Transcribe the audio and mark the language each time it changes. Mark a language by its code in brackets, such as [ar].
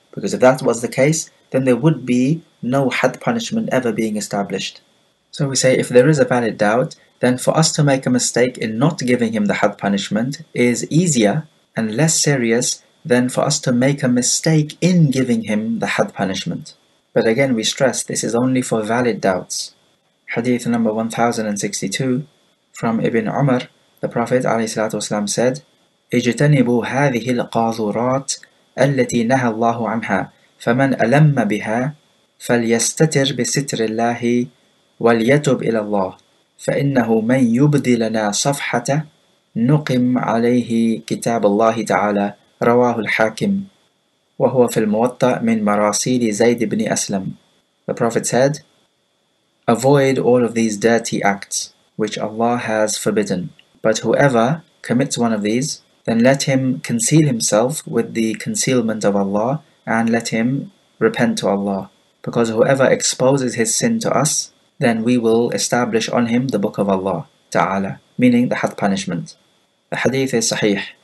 [en] Because if that was the case, then there would be no had punishment ever being established. So we say, if there is a valid doubt, then for us to make a mistake in not giving him the had punishment is easier and less serious than for us to make a mistake in giving him the had punishment. But again, we stress this is only for valid doubts. Hadith number 1062 from Ibn Umar, the Prophet ﷺ said, [ar] اجتنبوا هذه القاذورات التي نهى الله عنها فمن ألم بها فليستتر بستر الله وليتب إلى الله فإنه من يبدي لنا صفحة نقم عليه كتاب الله تعالى رواه الحاكم وهو في الموطأ من مراسيل زيد بن أسلم. [en] The Prophet said, avoid all of these dirty acts which Allah has forbidden. But whoever commits one of these, then let him conceal himself with the concealment of Allah and let him repent to Allah. Because whoever exposes his sin to us, then we will establish on him the book of Allah Ta'ala, meaning the had punishment. The hadith is sahih.